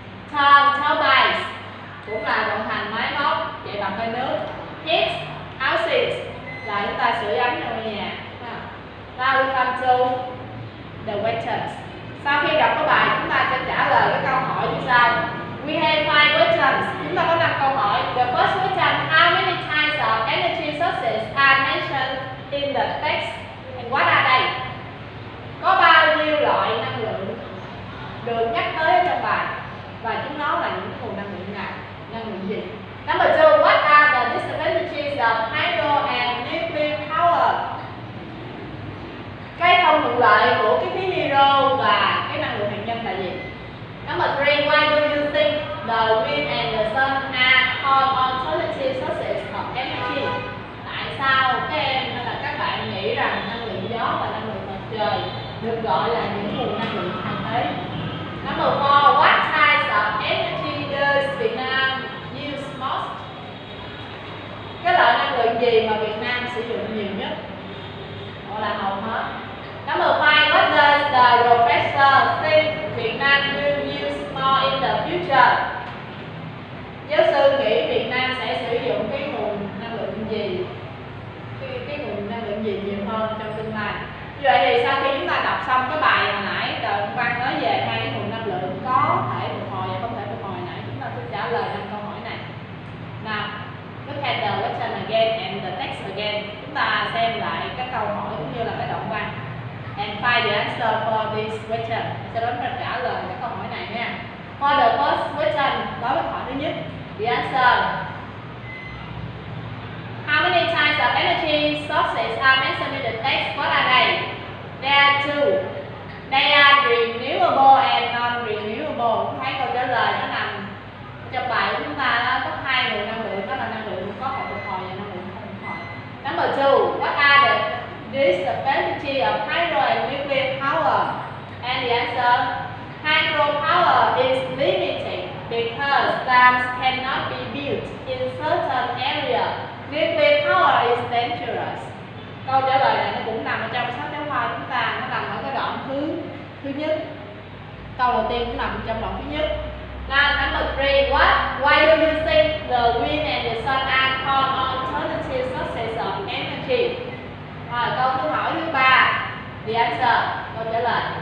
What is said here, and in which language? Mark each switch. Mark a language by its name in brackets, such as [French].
[English] Turn turbines [Vietnamese] cũng là vận hành máy móc, chạy bằng hơi nước. [English] Hit houses [Vietnamese] là chúng ta sửa ấm trong ngôi nhà. [English] Now we come to the questions. [Vietnamese] Sau khi đọc cái bài, chúng ta sẽ trả lời cái câu hỏi như sau. [English] We have five questions. [Vietnamese] Chúng ta có 5 câu hỏi. [English] The first question, how many types of energy sources are mentioned in the text? And what are they? [Vietnamese] Có bao nhiêu loại năng lượng được nhắc tới trong bài? Và chúng nó là những nguồn năng lượng nào? Năng lượng gì? [English] Number two, what are the disadvantages of hydro and nuclear power? [Vietnamese] Cái không thuận lợi của cái khí hydro và cái năng lượng hạt nhân là gì? [English] Number three, why do you think the wind and the sun are all alternative sources of energy? [Vietnamese] Tại sao các em hay là các bạn nghĩ rằng năng lượng gió và năng lượng mặt trời được gọi là những nguồn năng lượng thay thế? [English] Number four, what types of energy does Vietnam use most? [Vietnamese] Cái loại năng lượng gì mà Việt Nam sử dụng nhiều nhất? Đó là hầu hết. [English] Number five, what does the professor think Vietnam will use more in the future? [Vietnamese] Giáo sư nghĩ Việt Nam sẽ sử dụng cái nguồn năng lượng gì? Cái nguồn năng lượng gì nhiều hơn trong tương lai? Như vậy thì sau khi chúng ta đọc xong cái bài hồi nãy, đoạn văn nói về hai cái nguồn năng lượng có thể phục hồi và không thể phục hồi nãy, chúng ta sẽ trả lời năm câu hỏi này. [English] Now, look at the question again and the text again. [Vietnamese] Chúng ta xem lại các câu hỏi cũng như là cái đoạn văn. [English] And find the answer for this question. [Vietnamese] Sẽ đến phần trả lời cái câu hỏi này nha. [English] For the first question, [Vietnamese] đối với hỏi thứ nhất, [English] the answer. How many types of energy sources are mentioned in the text? What are they? There are two. They are renewable and non-renewable. [Vietnamese] Thấy câu trả lời nó nằm trong bài của chúng ta đó, có hai nguồn năng lượng, đó là năng lượng có thể phục hồi và năng lượng không phục hồi. [English] Number two, what are the disadvantage of hydro and nuclear power? And the answer, hydro power is limited because dams cannot be built in certain area. Nuclear power is dangerous. [Vietnamese] Câu trả lời này nó cũng nằm ở trong sách giáo khoa chúng ta, nó nằm ở cái đoạn thứ nhất. Câu đầu tiên cũng nằm trong đoạn thứ nhất. [English] Now number three, what? Why do you think the wind and the sun are called alternative sources of energy? [Vietnamese] Câu thứ hỏi thứ ba, [English] the answer, [Vietnamese] câu trả lời.